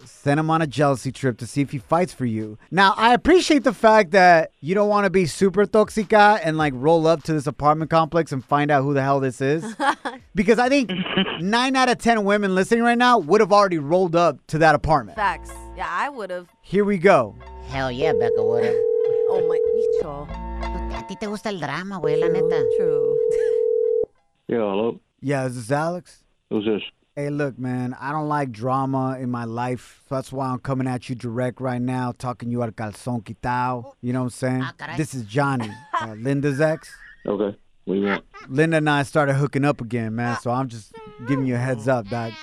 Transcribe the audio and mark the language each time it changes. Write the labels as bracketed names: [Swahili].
[English] Send him on a jealousy trip to see if he fights for you. Now, I appreciate the fact that you don't want to be super toxica and, like, roll up to this apartment complex and find out who the hell this is. Because I think 9 out of 10 women listening right now would have already rolled up to that apartment. Facts. Yeah, I would have. Here we go. Hell yeah, Becca would have. Oh, my. Micho. [Spanish] A ti te gusta el drama, güey, la neta. [English] True. Yeah, hello. Yeah, is this Alex? Who's this? Hey, look, man, I don't like drama in my life. So that's why I'm coming at you direct right now, talking you al calzón quitao. You know what I'm saying? This is Johnny, Linda's ex. Okay, what do you want? Linda and I started hooking up again, man, so I'm just giving you a heads up, dog.